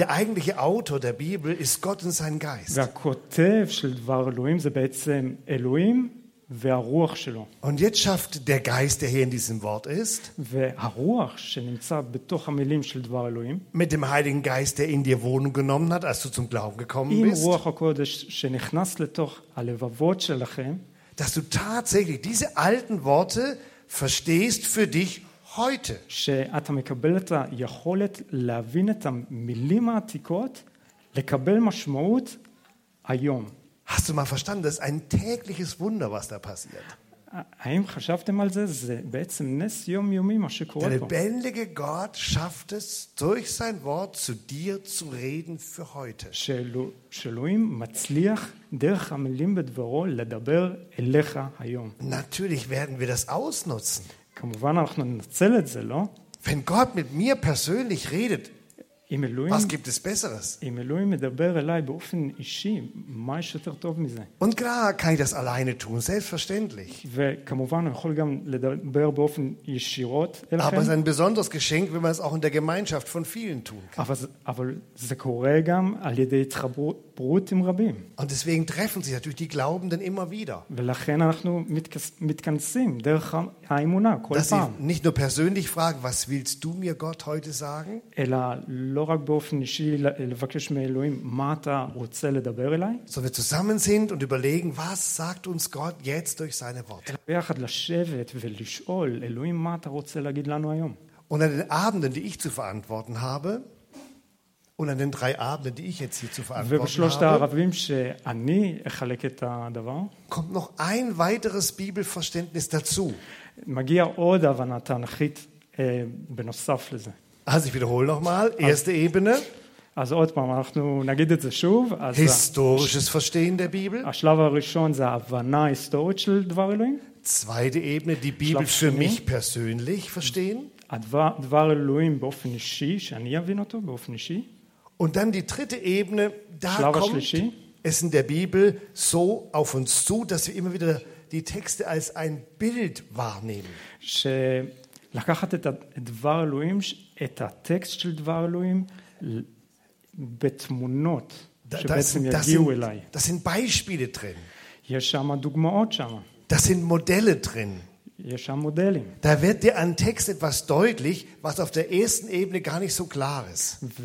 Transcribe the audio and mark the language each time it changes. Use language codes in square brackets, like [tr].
[de] der eigentliche Autor der Bibel ist Gott und sein Geist. Der [he] Kotev של דבר אלוהים זה בעצם אלוהים והרוח שלו. [de] Und jetzt schafft der Geist, der hier in diesem Wort ist, [he] והרוח שנמצא בתוך המילים של דבר אלוהים, [de] mit dem Heiligen Geist, der in dir Wohnung genommen hat, als du zum Glauben gekommen bist, [he] עם רוח הקודש שנכנס לתוך הלבבות שלכם, [de] dass du tatsächlich diese alten Worte verstehst für dich heute, [he] שאתה מקבל את היכולת להבין את המילים העתיקות, לקבל משמעות היום. [de] Hast du mal verstanden, das ist ein tägliches Wunder, was da passiert. [he] האם חשבתם על זה? זה בעצם נס יומיומי, מה שקורה פה. [de] Der lebendige Gott schafft es, durch sein Wort zu dir zu reden für heute. [he] שאלוהים מצליח דרך המילים בדברו לדבר אליך היום. [de] Natürlich werden wir das ausnutzen. [he] כמובן אנחנו ננצל את זה, לא? [de] Wenn Gott mit mir persönlich redet, was gibt es Besseres? [he] אם אלוהים מדבר אליי באופן אישי, מה יש יותר טוב מזה? [de] Und klar kann ich das alleine tun, selbstverständlich. [he] וכמובן אני יכול גם לדבר באופן ישירות אליכם. [de] Aber es ist ein besonderes Geschenk, wenn man es auch in der Gemeinschaft von vielen tun kann. [he] אבל זה קורה גם על ידי התחברות עם רבים. [de] Und deswegen treffen sich natürlich die Glaubenden immer wieder. [he] ולכן אנחנו מתכנסים דרך האמונה כל פעם. [de] Dass sie nicht nur persönlich fragen, was willst du mir Gott heute sagen? [he] אלא לא רק באופן אישי לבקש מאלוהים מה אתה רוצה לדבר אליי. [de] So wir zusammen sind und überlegen, was sagt uns Gott jetzt durch seine Worte. [he] אלא ביחד לשבת ולשאול אלוהים מה אתה רוצה להגיד לנו היום. [de] Und an den Abenden, die ich zu verantworten habe, und an den drei Abenden, die ich jetzt hier zu verantworten habe, [he] ובשלושת הערבים שאני אחלק את הדבר, [de] kommt noch ein weiteres Bibelverständnis dazu. [he] מגיע עוד הבנה תנכית בנוסף לזה. [de] Also ich wiederhole nochmal, erste Ebene. [he] Also, עוד פעם, אנחנו נגיד את זה שוב. [de] Historisches Verstehen der Bibel. [he] השלב הראשון זה ההבנה היסטורית של דבר אלוהים. [de] Zweite Ebene, die Bibel für mich persönlich verstehen. [he] הדבר אלוהים באופן אישי, שאני אבין אותו באופן אישי. [de] Und dann die dritte Ebene, da kommt es in der Bibel so auf uns zu, dass wir immer wieder die Texte als ein Bild wahrnehmen. [he] לקחת את דבר אלוהים, את הטקסט של דבר אלוהים, בתמונות שבעצם יגיעו אליי. [de] Das sind Beispiele drin. [he] יש שם דוגמאות שם. [de] Das sind Modelle drin. [he] יש שם מודלים. [de] Da wird dir an Text etwas deutlich, was auf der ersten Ebene gar nicht so klar ist.